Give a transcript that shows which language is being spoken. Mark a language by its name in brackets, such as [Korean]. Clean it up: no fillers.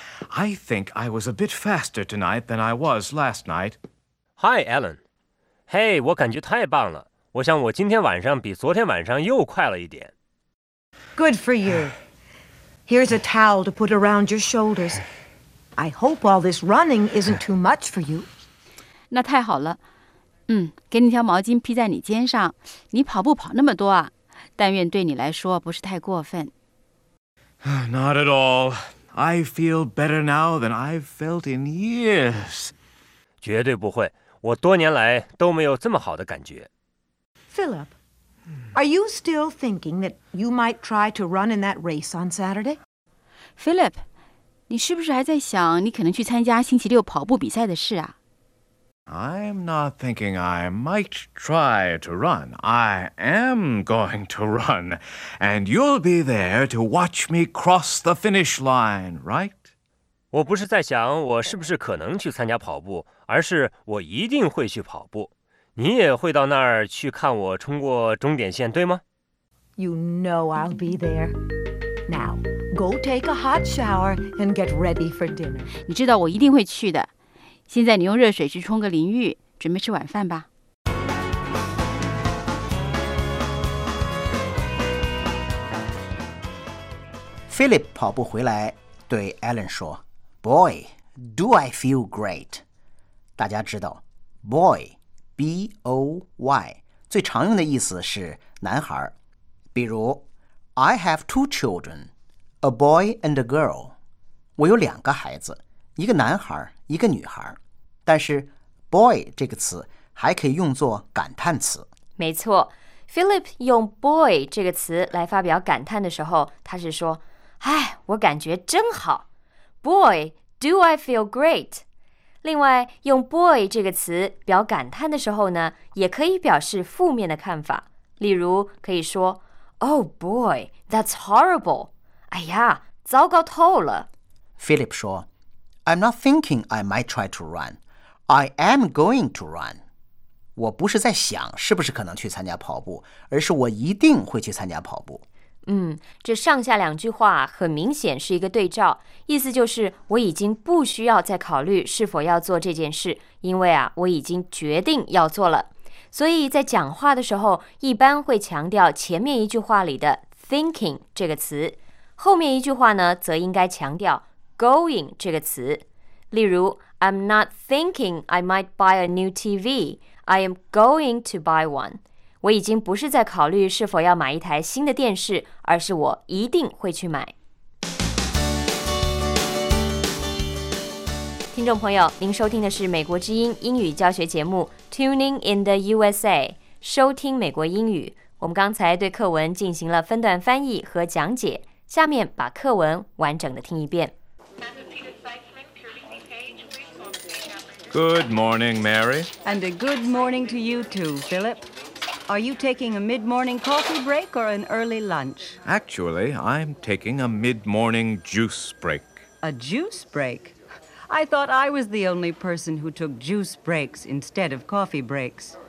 [English] I think I was a bit faster tonight than I was last night。 Hi Ellen。 [Chinese] 嘿、hey, 我感觉太棒了，我想我今天晚上比昨天晚上又快了一点。 [English] Good for you. Here's a towel to put around your shoulders. I hope all this running isn't too much for you. [Chinese] 那太好了，嗯，给你条毛巾披在你肩上，你跑步跑那么多啊，但愿对你来说不是太过分。 [English] Not at all. I feel better now than I've felt in years. [Chinese] 绝对不会，我多年来都没有这么好的感觉。 [English] Philip, are you still thinking that you might try to run in that race on Saturday? [Chinese] Philip, 你是不是还在想你可能去参加星期六跑步比赛的事啊？ [English] I'm not thinking I might try to run. I am going to run. And you'll be there to watch me cross the finish line, right? [Chinese] 我不是在想我是不是可能去参加跑步，而是我一定会去跑步。你也会到那儿去看我冲过终点线，对吗？ [English] You know I'll be there. Now, go take a hot shower and get ready for dinner. [Chinese] 你知道我一定会去的。现在你用热水去冲个淋浴，准备吃晚饭吧。 [English] Philip [Chinese] 跑步回来对 [English] Alan [Chinese] 说， [English] Boy, do I feel great? [Chinese] 大家知道 ,boy, B-O-Y, 最常用的意思是男孩。比如 [English] ,I have two children, a boy and a girl. [Chinese] 我有两个孩子，一个男孩，一个女孩。但是 ,boy 这个词还可以用作感叹词。没错 ,Philip 用 boy 这个词来发表感叹的时候，他是说，哎，我感觉真好。 [English] Boy, do I feel great? [Chinese] 另外，用 boy 这个词表感叹的时候呢，也可以表示负面的看法。例如，可以说 [English] Oh boy, that's horrible. [Chinese] 哎呀，糟糕透了。 [English] Philip [Chinese] 说 [English] I'm not thinking I might try to run. I am going to run. [Chinese] 我不是在想是不是可能去参加跑步，而是我一定会去参加跑步。嗯，这上下两句话很明显是一个对照，意思就是我已经不需要再考虑是否要做这件事，因为啊，我已经决定要做了。所以在讲话的时候，一般会强调前面一句话里的 thinking 这个词，后面一句话呢，则应该强调 going 这个词。例如 [English] I'm not thinking I might buy a new TV. I am going to buy one. [Chinese] 我已经不是在考虑是否要买一台新的电视，而是我一定会去买。听众朋友，您收听的是美国之音英语教学节目 Tuning in the USA， 收听美国英语。我们刚才对课文进行了分段翻译和讲解，下面把课文完整的听一遍。 [English] Good morning, Mary. And a good morning to you too, Philip. Are you taking a mid-morning coffee break or an early lunch? Actually, I'm taking a mid-morning juice break. A juice break? I thought I was the only person who took juice breaks instead of coffee breaks.